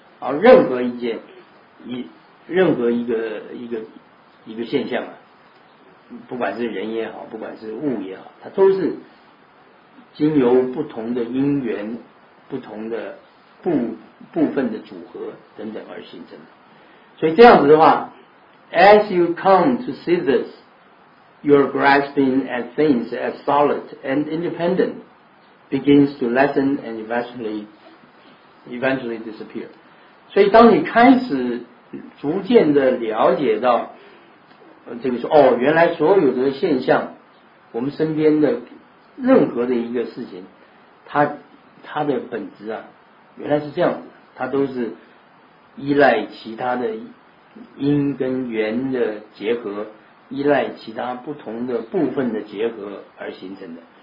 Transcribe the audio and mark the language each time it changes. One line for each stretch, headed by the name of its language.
Chinese: 而任何一件任何一个现象啊，不管是人也好，不管是物也好，它都是经由不同的因缘、不同的部分的组合等等而形成的。所以这样子的话
English: ，as you come to see this。 Your grasping at things as solid and independent begins to lessen and eventually disappear.
Chinese: 所以当你开始逐渐的了解到这个说哦原来所有的现象我们身边的任何的一个事情它的本质啊原来是这样子它都是依赖其他的因跟缘的结合依赖其他不同的部分的结合而形成的。